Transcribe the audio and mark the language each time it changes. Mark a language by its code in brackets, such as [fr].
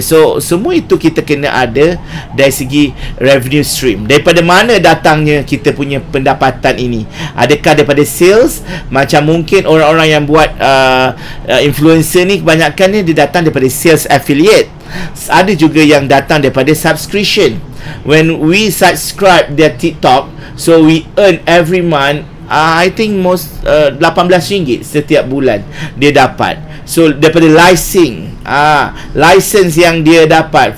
[ms] So semua itu kita kena ada dari segi revenue stream. Daripada mana datangnya kita punya pendapatan ini? Adakah daripada sales? Macam mungkin orang-orang yang buat influencer ni, kebanyakan ni dia datang daripada sales affiliate. Ada juga yang datang daripada subscription. [en] When we subscribe their TikTok, so we earn every month, I think most RM18 setiap bulan dia dapat. [ms] So daripada license yang dia dapat.